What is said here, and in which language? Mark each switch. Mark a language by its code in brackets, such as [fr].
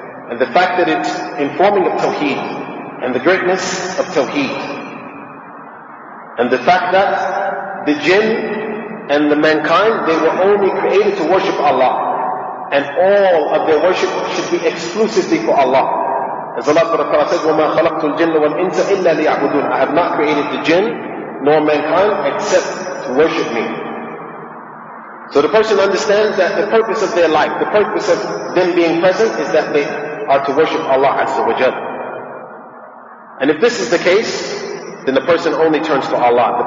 [en] And the fact that it's informing of Tawheed and the greatness of Tawheed. And the fact that the jinn and the mankind, they were only created to worship Allah. And all of their worship should be exclusively for Allah. As Allah says, [ar] وَمَا خَلَقْتُ الْجِنَّ وَالْإِنْسَ إِلَّا لِيَعْبُدُونَ. [en] I have not created the jinn nor mankind except to worship me. So the person understands that the purpose of their life, the purpose of them being present, is that they are to worship Allah Azza wa Jalla. And if this is the case, then the person only turns to Allah.